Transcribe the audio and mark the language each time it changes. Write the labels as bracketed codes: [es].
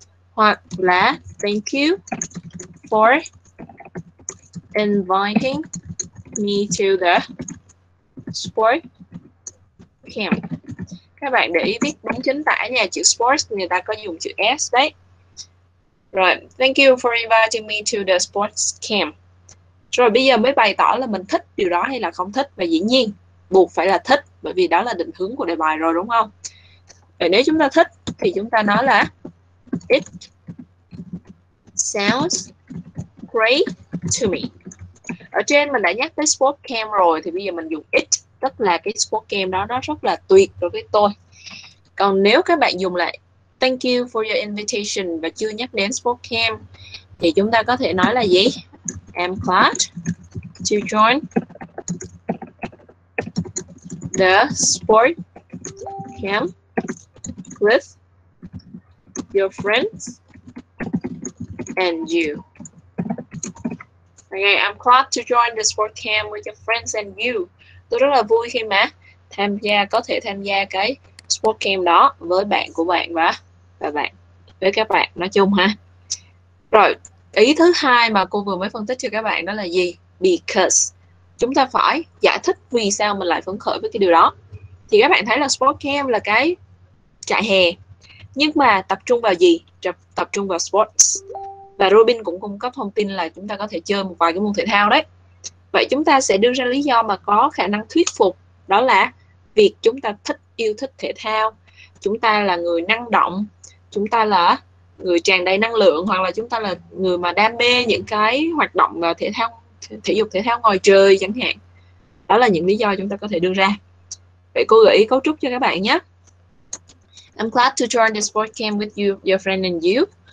[vi] Hoặc là [en] thank you for inviting me to the sport camp. [vi] Các bạn để ý biết đúng chính tả nha, chữ sports người ta có dùng chữ S đấy. [en] Rồi, thank you for inviting me to the sports camp. [vi] Rồi bây giờ mới bày tỏ là mình thích điều đó hay là không thích. Và dĩ nhiên, buộc phải là thích, bởi vì đó là định hướng của đề bài rồi đúng không? Vậy nếu chúng ta thích thì chúng ta nói là [en] it sounds great to me. [vi] Ở trên mình đã nhắc tới sport camp rồi, thì bây giờ mình dùng it, tức là cái sport camp đó nó rất là tuyệt đối với tôi. Còn nếu các bạn dùng lại [en] thank you for your invitation [vi] và chưa nhắc đến sport camp thì chúng ta có thể nói là gì? [en] I'm glad to join the sport camp with your friends and you. Okay, I'm glad to join the sport camp with your friends and you. [vi] Tôi rất là vui khi mà tham gia, có thể tham gia cái sport camp đó với bạn của bạn và bạn với các bạn nói chung ha. Rồi, ý thứ hai mà cô vừa mới phân tích cho các bạn đó là gì? Because. Chúng ta phải giải thích vì sao mình lại phấn khởi với cái điều đó. Thì các bạn thấy là sport camp là cái trại hè. Nhưng mà tập trung vào gì? Tập trung vào sports. Và Robin cũng cung cấp thông tin là chúng ta có thể chơi một vài cái môn thể thao đấy. Vậy chúng ta sẽ đưa ra lý do mà có khả năng thuyết phục. Đó là việc chúng ta thích, yêu thích thể thao. Chúng ta là người năng động. Chúng ta là người tràn đầy năng lượng. Hoặc là chúng ta là người mà đam mê những cái hoạt động thể thao, thể dục thể thao ngoài trời chẳng hạn. Đó là những lý do chúng ta có thể đưa ra. Vậy cô gợi ý cấu trúc cho các bạn nhé. [en] I'm glad to join the sport camp with you, your friend and you.